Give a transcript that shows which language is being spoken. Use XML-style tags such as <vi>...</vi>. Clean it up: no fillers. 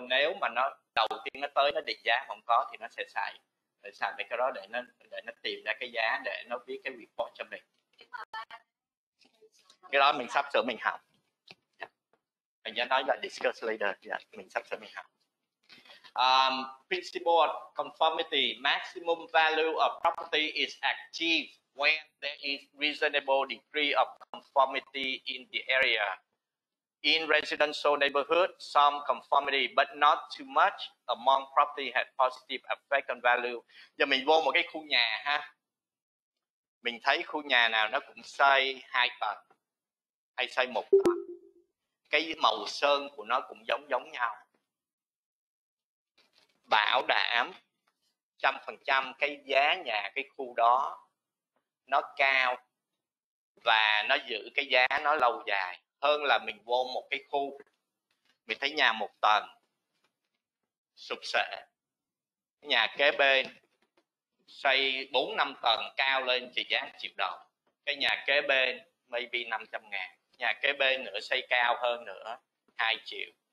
<vi>Nếu mà nó đầu tiên nó tới nó định giá không có thì nó sẽ xài mấy cái đó để nó tìm ra cái giá để nó viết cái report cho mình. Cái đó mình sắp sửa mình học. Mình sẽ nói là</vi> <en>discuss later.</en> <vi>Yeah, mình sắp sửa mình học.</vi> <en>Principle of conformity, maximum value of property is achieved when there is reasonable degree of conformity in the area. In residential neighborhood, some conformity, but not too much among property had positive effect on value.</en> <vi>Giờ mình vô một cái khu nhà ha. Mình thấy khu nhà nào nó cũng xây 2 tầng hay xây 1 tầng. Cái màu sơn của nó cũng giống giống nhau. Bảo đảm 100% cái giá nhà cái khu đó nó cao và nó giữ cái giá nó lâu dài hơn là mình vô một cái khu mình thấy nhà một tầng sụp sệ, nhà kế bên xây 4-5 tầng cao lên chỉ giá 1 triệu đồng, cái nhà kế bên maybe 500 ngàn, nhà kế bên nữa xây cao hơn nữa 2 triệu.</vi>